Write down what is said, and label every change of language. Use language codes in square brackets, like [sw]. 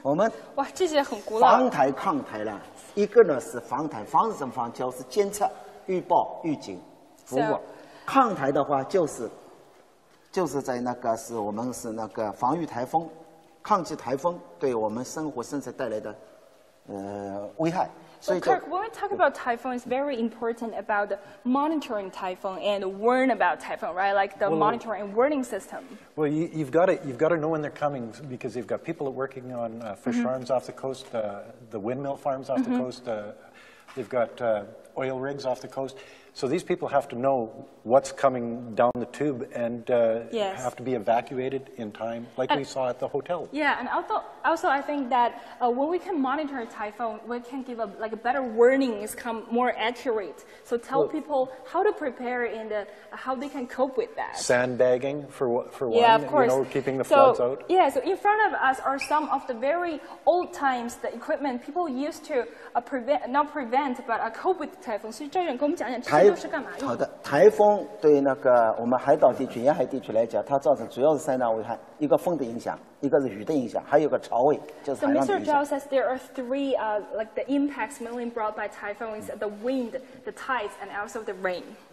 [zh] 我们哇，这些很古老。防台抗台了，一个呢是防台，防是什么防？就是监测、预报、预警、服务。抗台的话就是在那个是我们是那个防御台风、抗击台风对我们生活甚至带来的危害。 [en] So Kirk, when we talk about typhoon, it's very important about monitoring typhoon and warn about typhoon, right? Like the monitoring and warning system. Well, you've got to know when they're coming because you've got people working on fish farms off the coast, the windmill farms off the coast. They've got oil rigs off the coast. So these people have to know what's coming down the tube and have to be evacuated in time, like we saw at the hotel. Yeah, and also I think that when we can monitor a typhoon, we can give a better warning, it's come more accurate. So tell people how to prepare and how they can cope with that. Sandbagging for one, yeah, of course. You know, keeping the floods out. Yeah, so in front of us are some of the very old times, the equipment people used to cope with typhoon. [zh] So Zhejiang, 跟我们讲讲。台风对那个我们海岛地区、沿海地区来讲，它造成主要是三大危害：一个风的影响，一个是雨的影响，还有个潮位，就是 [en] So Mr. Zhao says there are three, like the impacts mainly brought by typhoons: the wind, the tides, and also the rain.